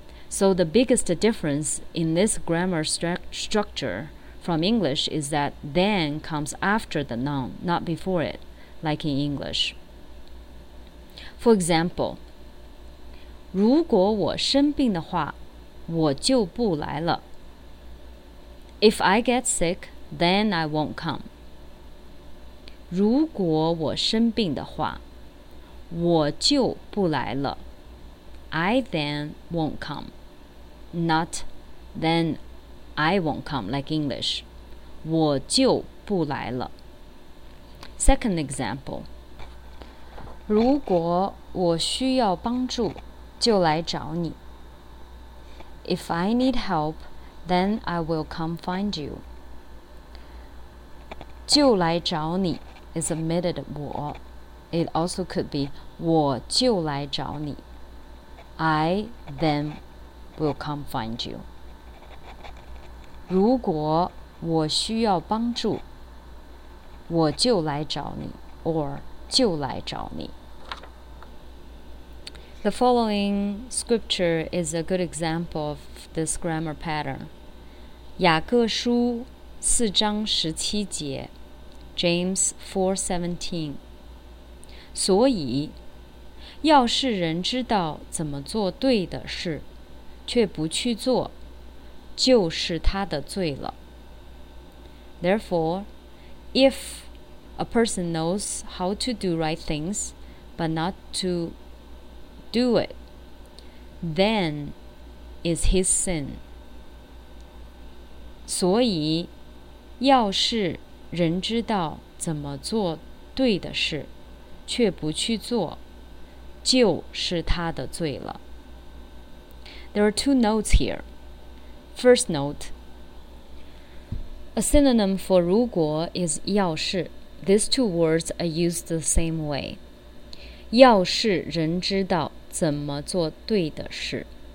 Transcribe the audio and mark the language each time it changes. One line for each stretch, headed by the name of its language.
English: So the biggest difference in this grammar structure from English is that then comes after the noun, not before it, like in English. For example,
Chinese: 如果我生病的话我就不来了。
English: If I get sick, then I won't come.
Chinese: 如果我生病的话我就不来了。
English: I then won't come. Not then I won't come, like English.
Chinese: 我就不来了。
English: Second example.
Chinese: 如果我需要帮助就来找你。
English: If I need help, then I will come find you.
Chinese: 就来找你
English: is admitted 我。It also could be
Chinese: 我就来找你。
English: I then will come find you.
Chinese: 如果我需要帮助我就来找你 or 就来找你。
English: The following scripture is a good example of this grammar pattern.
Chinese: 雅各书四章十七节
English: James 4:17
Chinese: 所以要是人知道怎么做对的事却不去做就是他的罪了。
English: Therefore, if a person knows how to do right things but not to do it, then is his sin.
Chinese: 所以要是人知道怎么做对的事却不去做就是他的罪了。
English: There are two notes here. First note, a synonym for 如果 is 要是. These two words are used the same way.
Chinese: 要是人知道怎么做对的事。